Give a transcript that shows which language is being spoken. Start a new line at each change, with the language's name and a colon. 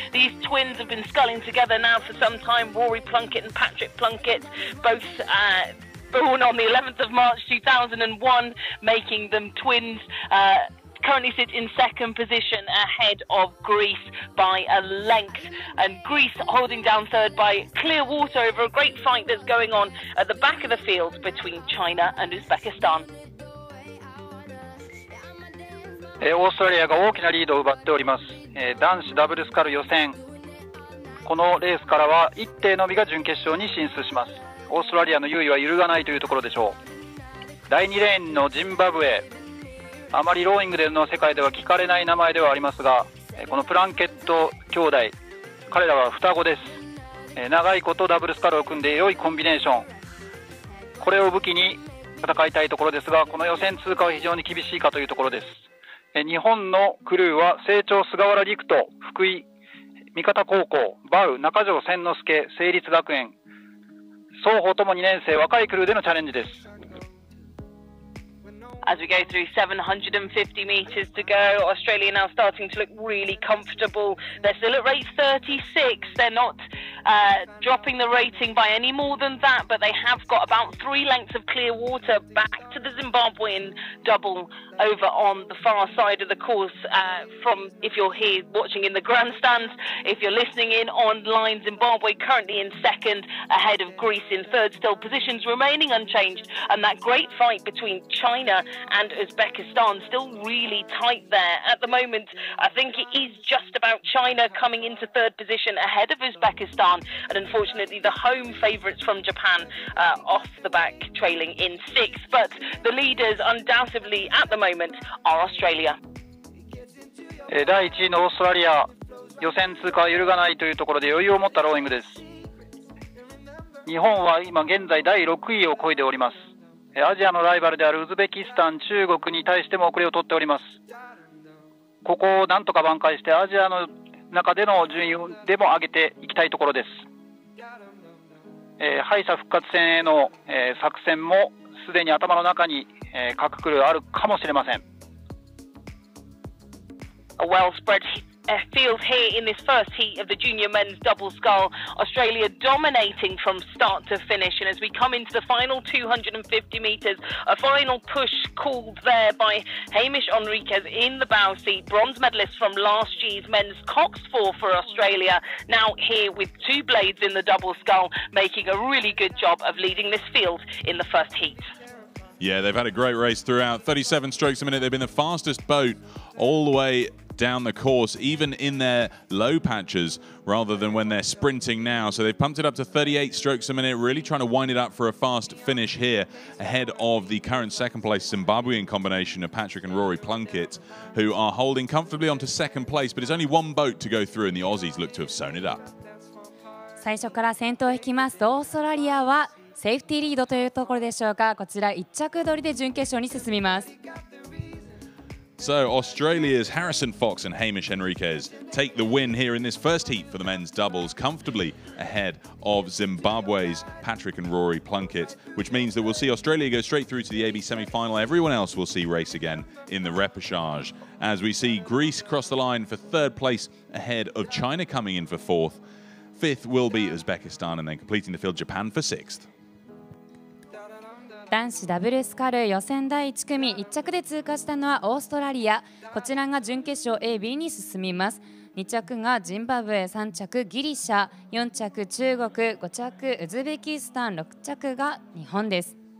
English: These twins have been sculling together now for some time, Rory Plunkett and Patrick Plunkett, both born on the 11th of March 2001, making them twins. Currently sit in second position ahead of Greece by a length, and Greece holding down third by clear water over a great fight that's going on at the back of the field between China and Uzbekistan.
Japanese: オーストラリアが大きなリードを奪っております。男子ダブルスカル予選、このレースからは一定のみが準決勝に進出します。オーストラリアの優位は揺るがないというところでしょう。第2レーンのジンバブエ、あまりローイングでの世界では聞かれない名前ではありますが、このプランケット兄弟、彼らは双子です。長いことダブルスカルを組んで良いコンビネーション、これを武器に戦いたいところですが、この予選通過は非常に厳しいかというところです。日本のクルーは成長菅原陸斗、福井三方高校、バウ中条千之助、成立学園、双方とも2年生、若いクルーでのチャレンジです。
English: As we go through 750 meters to go, Australia now starting to look really comfortable. They're still at rate 36. They're not dropping the rating by any more than that, but they have got about three lengths of clear water back to the Zimbabwean double over on the far side of the course. From if you're here watching in the grandstands, if you're listening in online, Zimbabwe currently in second ahead of Greece in third, still positions remaining unchanged. And that great fight between China and Uzbekistan still really tight there at the moment. I think it is just about China coming into third position ahead of Uzbekistan, and unfortunately the home favourites from Japan off the back trailing in sixth, but the leaders undoubtedly at the moment are Australia.
Japanese: 第1位のオーストラリア、予選通過は揺るがないというところで余裕を持ったローイングです。日本は今現在第6位を超えております。アジアのライバルであるウズベキスタン、中国に対しても遅れを取っております。ここをなんとか挽回してアジアの中での順位でも上げていきたいところです。敗者復活戦への、作戦もすでに頭の中に、各クルーあるかもしれません。
English: Well spreadfield here in this first heat of the junior men's double scull. Australia dominating from start to finish, and as we come into the final 250 metres, a final push called there by Hamish Henriquez in the bow seat, bronze medalist from last year's men's Cox 4 for Australia, now here with two blades in the double scull, making a really good job of leading this field in the first heat. Yeah, they've had a great race throughout. 37 strokes a minute, they've been the fastest boat all the waydown the course, even in their low patches rather than when they're sprinting now. So they've pumped it up to 38 strokes a minute, really trying to wind it up for a fast finish here ahead of the current second place Zimbabwean combination of Patrick and Rory Plunkett, who are holding comfortably onto second place, but it's only one boat to go through and the Aussies look to have sewn it up.
Japanese: 最初から先頭を引きますとオーストラリアはセーフティーリードというところでしょうか。こちら一着取りで準決勝に進みます。
English: So Australia's Harrison Fox and Hamish Henriquez take the win here in this first heat for the men's doubles, comfortably ahead of Zimbabwe's Patrick and Rory Plunkett, which means that we'll see Australia go straight through to the AB semi-final. Everyone else will see race again in the repechage as we see Greece cross the line for third place ahead of China coming in for fourth. Fifth will be Uzbekistan and then completing the field Japan for sixth.
Japanese: 男子ダブルスカル予選第1組、1着で通過したのはオーストラリア。こちらが準決勝 AB に進みます。2着がジンバブエ、3着ギリシャ、4着中国、5着ウズベキスタン、6着が日本です。